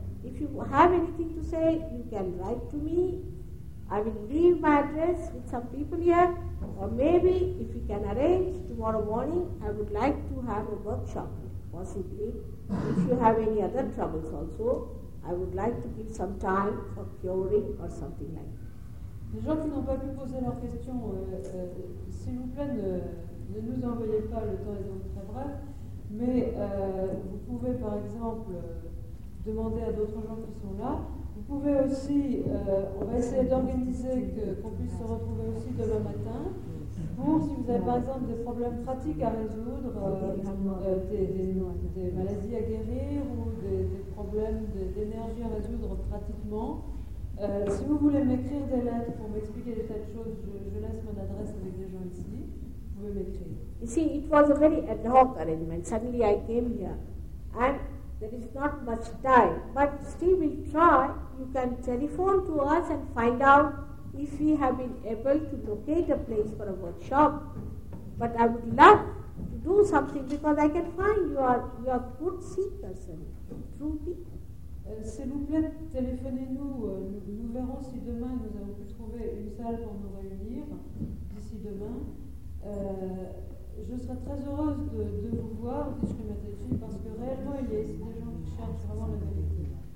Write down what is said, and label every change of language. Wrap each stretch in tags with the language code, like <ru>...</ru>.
<en>If you have anything to say, you can write to me. I will leave my address with some people here. Or maybe, if we can arrange, tomorrow morning, I would like to have a workshop, possibly. If you have any other troubles also, I would like to give some time for curing or something like that.</en> <fr>Les gens qui n'ont pas pu poser leurs questions, s'il vous plaît, ne nous envoyez pas, le temps est donc très bref. Mais vous pouvez, par exemple, demander à d'autres gens qui sont là. Vous pouvez aussi, on va essayer d'organiser qu'on puisse se retrouver aussi demain matin pour, si vous avez par exemple des problèmes pratiques à résoudre, des maladies à guérir ou des problèmes d'énergie à résoudre pratiquement. Si vous voulez m'écrire des lettres pour m'expliquer des tas de choses, je laisse mon adresse avec des gens ici. Vous pouvez m'écrire.</fr> <en>You see, it was a very ad hoc arrangement. Suddenly I came here and there is not much time, but still we'll try. You can telephone to us and find out if we have been able to locate a place for a workshop. But I would love to do something because I can find you are good seat person, true people.</en> <fr>S'il vous plaît, téléphonez-nous. Nous verrons si demain nous avons pu trouver une salle pour nous réunir d'ici demain. Je serai très heureuse de vous voir, dit Shri Mataji, parce que réellement il y a ici des gens qui cherchent vraiment la vérité.</fr>